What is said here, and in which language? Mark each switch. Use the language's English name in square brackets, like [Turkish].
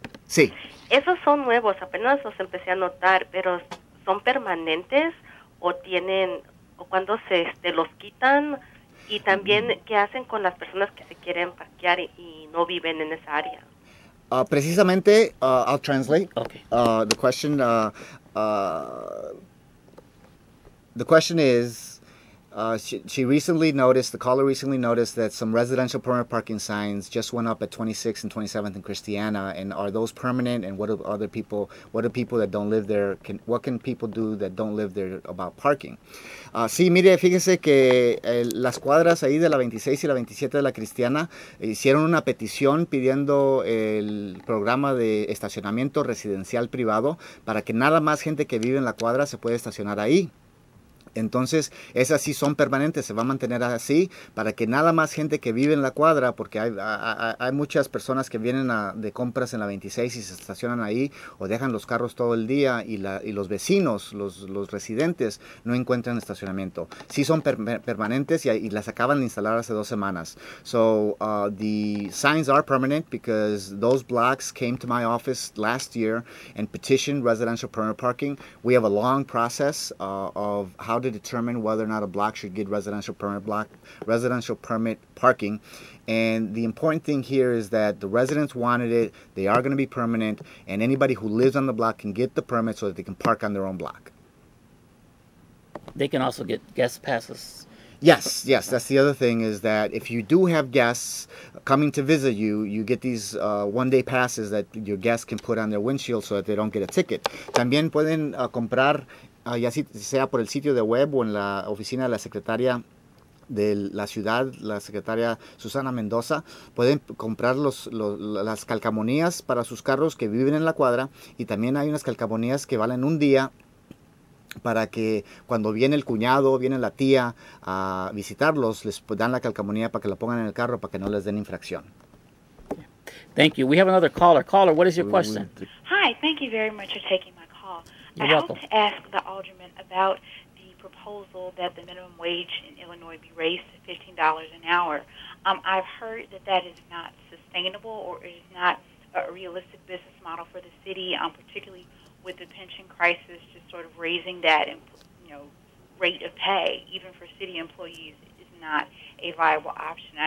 [Spanish] Sí. Esos son nuevos, apenas los empecé a notar, pero ¿son permanentes o tienen, o cuando se los quitan? Y también, ¿qué hacen con las personas que se quieren parquear y no viven en esa área? Precisamente, [English] I'll translate. Okay. The question, the question is, she recently noticed, the caller recently noticed that some residential permanent parking signs just went up at 26th and 27th in Christiana. And are those permanent? And what do other people, what do people that don't live there, can, what can people do that don't live there about parking? [Spanish] Sí, mire, fíjese que las cuadras ahí de la 26 y la 27 de la Cristiana hicieron una petición pidiendo el programa de estacionamiento residencial privado para que nada más gente que vive en la cuadra se pueda estacionar ahí. Entonces, esas sí son permanentes, se va a mantener así para que nada más gente que vive en la cuadra, porque hay muchas personas que vienen de compras en la 26 y se estacionan ahí o dejan los carros todo el día y los vecinos, los residentes, no encuentran estacionamiento. Sí son permanentes y las acaban de instalar hace 2 semanas. [English] So, the signs are permanent because those blocks came to my office last year and petitioned residential permanent parking. We have a long process of how to to determine whether or not a block should get residential permit parking. And the important thing here is that the residents wanted it, they are going to be permanent, and anybody who lives on the block can get the permit so that they can park on their own block. They can also get guest passes. Yes, yes. That's the other thing, is that if you do have guests coming to visit you, you get these one-day passes that your guests can put on their windshield so that they don't get a ticket. [Spanish] También pueden comprar, ya sea por el sitio de web o en la oficina de la secretaria de la ciudad, la secretaria Susana Mendoza, pueden comprar las calcomanías para sus carros que viven en la cuadra, y también hay unas calcomanías que valen un día para que cuando viene el cuñado, viene la tía a visitarlos, les dan la calcomanía para que la pongan en el carro para que no les den infracción. [English] Thank you. We have another caller. Caller, what is your question? Hi, thank you very much for taking my call. You're welcome. I hope to ask the alderman about the proposal that the minimum wage in Illinois be raised to $15 an hour. I've heard that that is not sustainable, or it is not a realistic business model for the city, particularly with the pension crisis, just sort of raising that, rate of pay, even for city employees, is not a viable option.